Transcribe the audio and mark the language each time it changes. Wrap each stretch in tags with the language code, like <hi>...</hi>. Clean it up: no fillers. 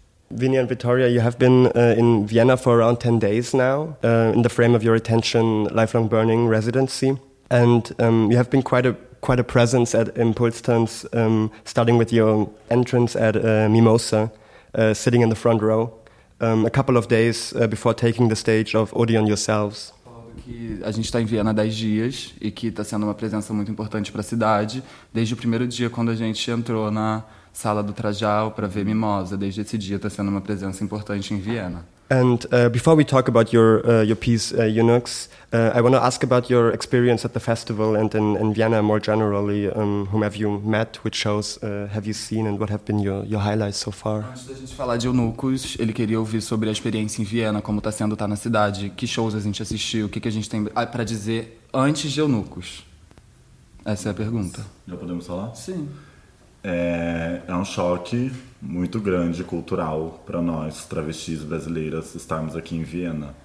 <en>Vini and Vittoria, you have been in Vienna for around 10 days now, in the frame of your Attention Lifelong Burning residency. And you have been quite a presence at Impulstanz, starting with your entrance at Mimosa, sitting in the front row, a couple of days before taking the stage of Odeon yourselves.</en> <pt>Que a gente está em Viena há 10 dias e que está sendo uma presença muito importante para a cidade, desde o primeiro dia quando a gente entrou na sala do Trajal para ver Mimosa. Desde esse dia está sendo uma presença importante em Viena.</pt> <en>And before we talk about your piece, Unix, I want to ask about your experience at the festival and in Vienna more generally. Whom have you met? Which shows have you seen? And what have been your highlights so far?</en> <pt>Antes da gente falar de Unucos, ele queria ouvir sobre a experiência em Viena, como está sendo estar na cidade, que shows a gente assistiu, o que a gente tem para dizer antes de Unucos. Essa é a pergunta. Já podemos falar? Sim. É um choque muito grande cultural para nós travestis brasileiras estarmos aqui em Viena.</pt>